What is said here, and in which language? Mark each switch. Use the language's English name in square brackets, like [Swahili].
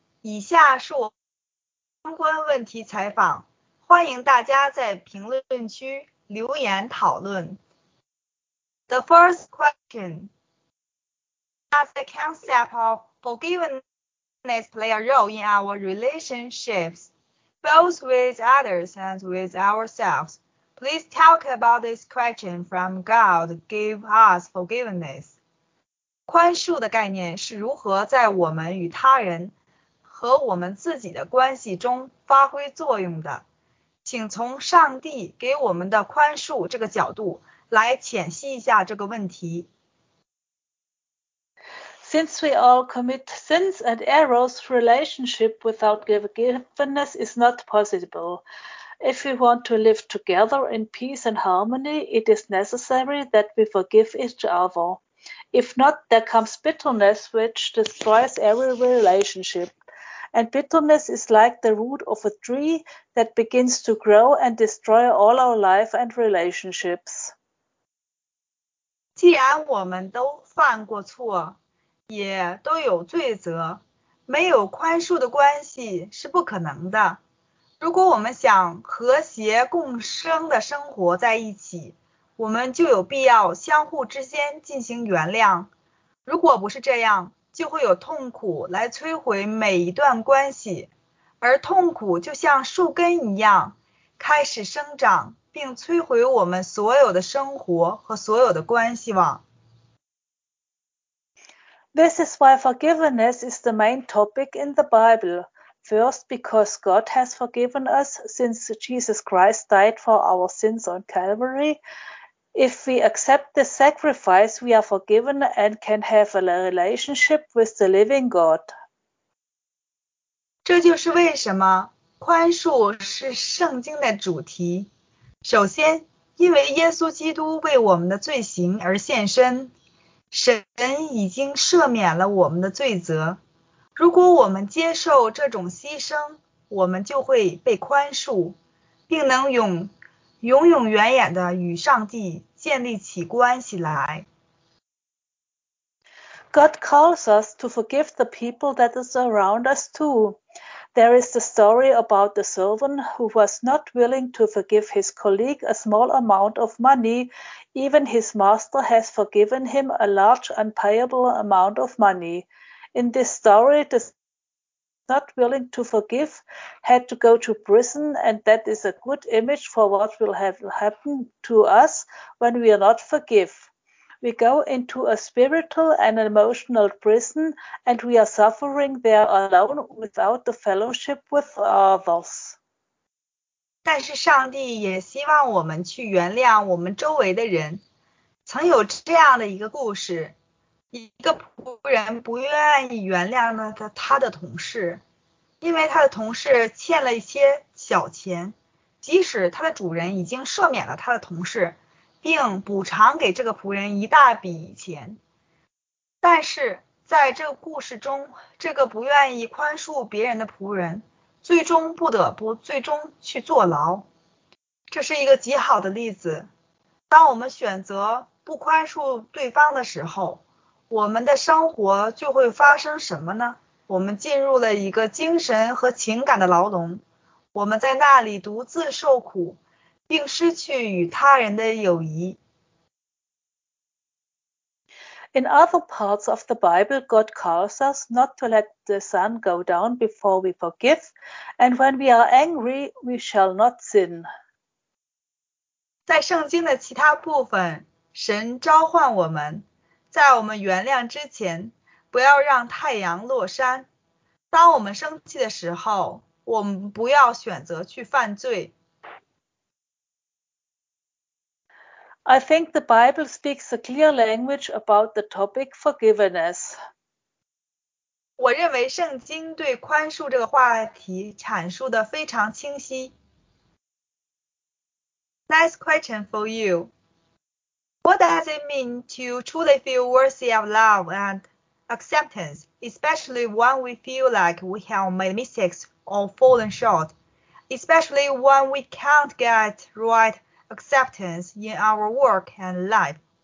[Chinese] 以下是我相关问题采访，欢迎大家在评论区留言讨论。 [English] The first question: Does the concept of forgiveness play a role in our relationships, both with others and with ourselves? Please talk about this question from God give us forgiveness. [Chinese] 宽恕的概念是如何在我们与他人和我们自己的关系中发挥作用的，请从上帝给我们的宽恕这个角度来浅析一下这个问题。 [English] Since we all commit sins and errors, relationship without forgiveness is not possible. If we want to live together in peace and harmony, it is necessary that we forgive each other. If not, there comes bitterness which destroys every relationship. And bitterness is like the root of a tree that begins to grow and destroy all our life and relationships. [Chinese] 既然我们都犯过错，也都有罪责，没有宽恕的关系是不可能的。如果我们想和谐共生的生活在一起，我们就有必要相互之间进行原谅。如果不是这样，就会有痛苦来摧毁每一段关系，而痛苦就像树根一样，开始生长，并摧毁我们所有的生活和所有的关系网。 [English] This is why forgiveness is the main topic in the Bible. First, because God has forgiven us since Jesus Christ died for our sins on Calvary. If we accept the sacrifice, we are forgiven and can have a relationship with the living God. [Chinese] 这就是为什么宽恕是圣经的主题。首先，因为耶稣基督为我们的罪行而献身，神已经赦免了我们的罪责。如果我们接受这种牺牲，我们就会被宽恕，并能永远远地与上帝建立起关系来。 [English] God calls us to forgive the people that is around us too. There is the story about the servant who was not willing to forgive his colleague a small amount of money, even his master has forgiven him a large unpayable amount of money. In this story, the not willing to forgive had to go to prison, and that is a good image for what will happen to us when we are not forgive. We go into a spiritual and emotional prison, and we are suffering there alone without the fellowship with others. [Chinese] 但是上帝也希望我们去原谅我们周围的人。曾有这样的一个故事，一个仆人不愿意原谅了他的同事，因为他的同事欠了一些小钱。即使他的主人已经赦免了他的同事，并补偿给这个仆人一大笔钱，但是在这个故事中，这个不愿意宽恕别人的仆人，最终不得不最终去坐牢。这是一个极好的例子。当我们选择不宽恕对方的时候，我们的生活就会发生什么呢？我们进入了一个精神和情感的牢笼，我们在那里独自受苦，并失去与他人的友谊。 [English] In other parts of the Bible, God calls us not to let the sun go down before we forgive, and when we are angry, we shall not sin. [Chinese] 在圣经的其他部分，神召唤我们在我们原谅之前，不要让太阳落山。当我们生气的时候，我们不要选择去犯罪。 [English] I think the Bible speaks a clear language about the topic forgiveness. [Chinese] 我认为圣经对宽恕这个话题阐述的非常清晰。 [English] Nice question for you. What does it mean to truly feel worthy of love and acceptance, especially when we feel like we have made mistakes or fallen short, especially when we can't get right acceptance in our work and life?